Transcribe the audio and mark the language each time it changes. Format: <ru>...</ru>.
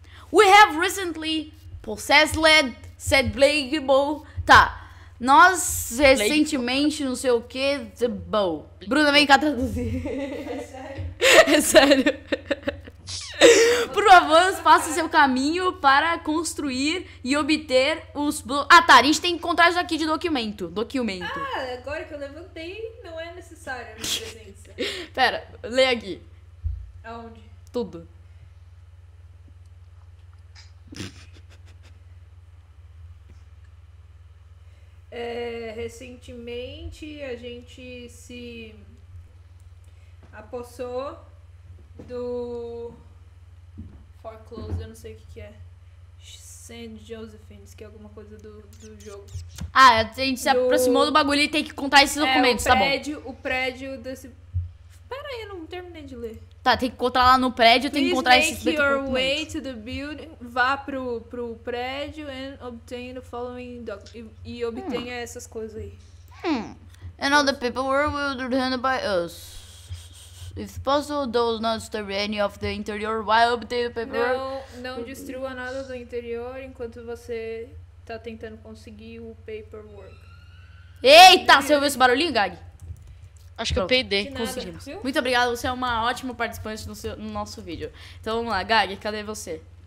<en>We have recently possessed said Blake Bow.</en> <pt>Tá. Nós recentemente, não sei o que, The Bow. Bruna, vem cá traduzir. É sério. Por avanço, faça seu caminho para construir e obter os... a gente tem que encontrar isso aqui de documento. Documento. Ah, agora que eu levantei, não é necessário a minha presença. Pera, lê aqui. Aonde? Tudo. Recentemente a gente se apossou do Foreclosed, eu não sei o que é. Saint Josephine, que é alguma coisa do jogo. Ah, a gente se aproximou do bagulho e tem que contar esses documentos, o prédio, tá bom? O prédio desse. Pera aí, eu não terminei de ler. Tá, tem que encontrar lá no prédio,</pt> <en>please</en> <pt>tem que encontrar esse documento.</pt> <en>Please make your way to the building,</en> <pt>vá pro prédio</pt> <en>and obtain the following documents.</en> <pt>E obtenha essas coisas aí.</pt> <en>And all the paperwork will be handled by us. If possible, do not disturb any of the interior while obtain the paperwork.</en> <pt>Não destrua nada do interior enquanto você tá tentando conseguir o paperwork. Eita, você ouviu esse barulhinho, Gag? Acho que pronto, eu peidei. Conseguimos. Muito obrigada, você é uma ótima participante no nosso vídeo. Então vamos lá, Gag, cadê você?</pt>